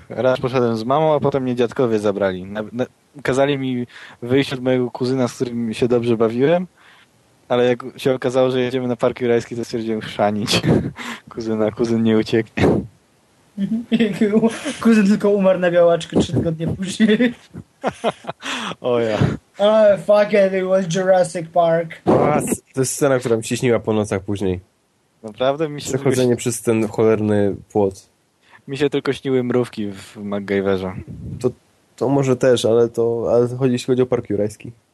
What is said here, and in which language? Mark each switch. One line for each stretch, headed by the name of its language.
Polish: Raz poszedłem z mamą, a potem mnie dziadkowie zabrali. Kazali mi wyjść od mojego kuzyna, z którym się dobrze bawiłem, ale jak się okazało, że jedziemy na Park Jurajski, to stwierdziłem chrzanić kuzyna. Kuzyn nie ucieknie. Kuzyn tylko umarł na białaczkę 3 tygodnie później. O ja.
English: Oh, fuck it, it was Jurassic Park.
Polish: To jest scena, która mi się śniła po nocach później. Naprawdę mi się... Przechodzenie przez ten cholerny płot. Mi się tylko śniły mrówki w MacGyverze. To, To może też, ale to jeśli chodzi o park jurajski.